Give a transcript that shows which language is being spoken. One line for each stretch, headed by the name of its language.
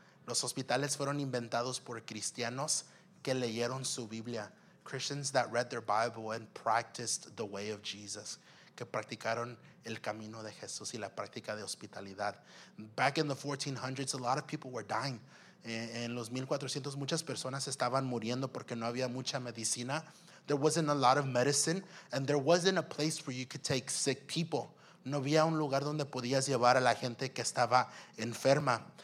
Spanish: Los hospitales fueron inventados por cristianos que leyeron su Biblia.
English: Christians that read their Bible and practiced the way of Jesus.
Spanish: Que practicaron el camino de Jesús y la práctica de hospitalidad.
English: Back in the 1400s, a lot of people were dying.
Spanish: En los 1400s, muchas personas estaban muriendo porque no había mucha medicina.
English: There wasn't a lot of medicine, and there wasn't a place where you could take sick people.
Spanish: No había un lugar donde podías llevar a la gente que estaba enferma.